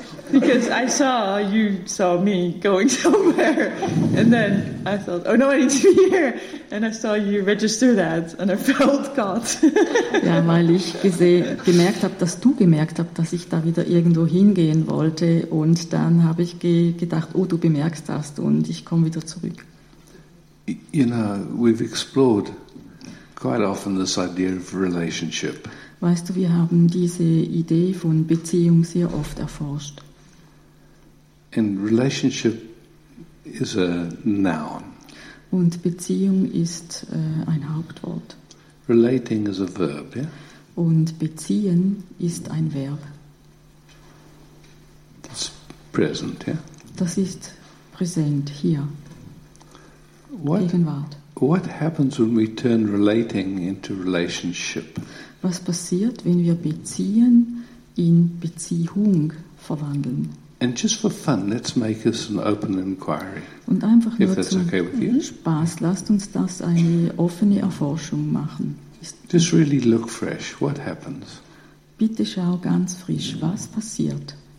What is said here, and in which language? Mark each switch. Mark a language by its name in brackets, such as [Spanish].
[English] Because I saw you saw me going somewhere, and then I thought, oh no, I need to be here. And I saw you register that, and I felt caught. [German] Ja, weil ich gemerkt habe, dass du gemerkt hast, dass ich da wieder irgendwo hingehen wollte, und dann habe ich gedacht, oh, du bemerkst das, und ich komme wieder zurück. [English] You know, we've explored quite often this idea of relationship. [German] Weißt du, wir haben diese Idee von Beziehung sehr oft erforscht. [English] And relationship is a noun. [German] Und Beziehung ist ein Hauptwort. [English] Relating is a verb, yeah? [German] Und beziehen ist ein Verb. [English] It's present, yeah? [German] Das ist präsent hier. [English] What, [German] Gegenwart. [English] What happens when we turn relating into relationship? [German] Was passiert, wenn wir beziehen in Beziehung verwandeln? [English] And just for fun, let's make this an open inquiry. [German] Und einfach nur zum Spaß, lasst uns das eine offene Erforschung machen. [English] Just really look fresh. What happens? [German] Bitte schau ganz frisch. Was passiert?